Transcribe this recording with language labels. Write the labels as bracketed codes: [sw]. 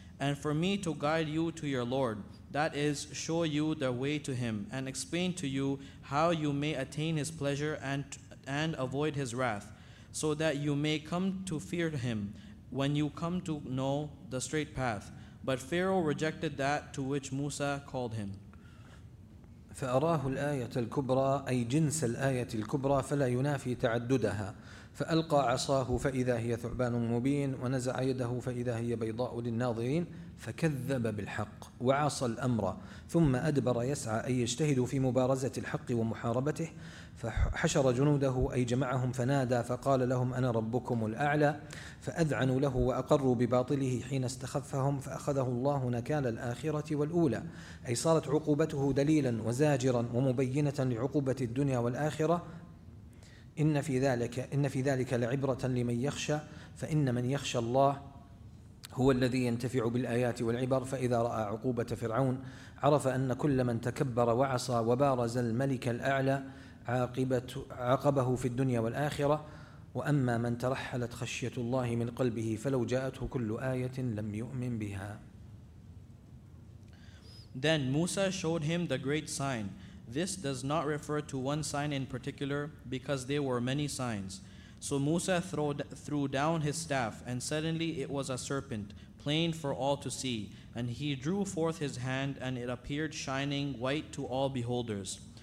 [en] and for me to guide you to your Lord, that is, show you the way to him and explain to you how you may attain his pleasure and avoid his wrath, so that you may come to fear him when you come to know the straight path. But Pharaoh rejected that to which Musa called him. [ar] فأراه الآية الكبرى، أي جنس الآية الكبرى، فلا ينافي تعددها، فألقى عصاه فإذا هي ثعبان مبين، ونزع يده فإذا هي بيضاء للناظرين، فكذب بالحق وعصى الأمر، ثم أدبر يسعى، أي يجتهد في مبارزة الحق ومحاربته، فحشر جنوده أي جمعهم فنادى فقال لهم أنا ربكم الأعلى، فأذعنوا له وأقروا بباطله حين استخفهم، فأخذه الله نكال الآخرة والأولى، أي صارت عقوبته دليلا وزاجرا ومبينة لعقوبة الدنيا والآخرة. إن في ذلك لعبرة لمن يخشى، فإن من يخشى الله هو الذي ينتفع بالآيات والعبر، فإذا رأى عقوبة فرعون عرف أن كل من تكبر وعصى وبارز الملك الأعلى عاقبه في الدنيا والآخرة، وأما من ترحلت خشية الله من قلبه فلو جاءته كل آية لم يؤمن بها. [en] Then Musa showed him the great sign. This does not refer to one sign in particular, because there were many signs. So Musa threw down his staff, and suddenly it was a serpent, plain for all to see. And he drew forth his hand, and it appeared shining white to all beholders.